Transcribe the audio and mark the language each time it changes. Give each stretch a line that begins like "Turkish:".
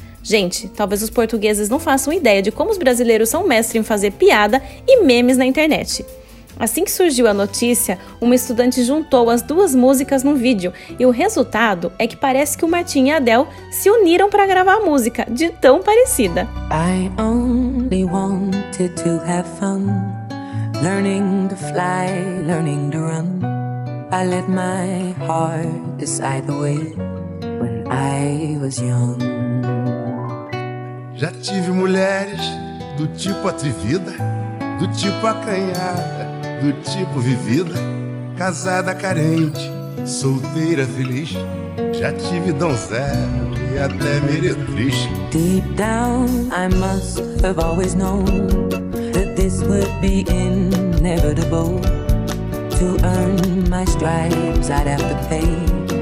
Portuguese: Gente, talvez os portugueses não façam ideia de como os brasileiros são mestres em fazer piada e memes na internet. Assim que surgiu a notícia, uma estudante juntou as duas músicas num vídeo e o resultado é que parece que o Martinho e a Adele se uniram para gravar a música, de tão parecida.
English: I only wanted to have fun, learning to fly, learning to run. I let my heart decide the way when I was young.
Portuguese: Já tive mulheres do tipo atrevida, do tipo acanhada, do tipo vivida, casada carente, solteira feliz. Já tive donzela e até meretriz.
English: Deep down I must have always known that this would be inevitable. To earn my stripes I'd have to pay.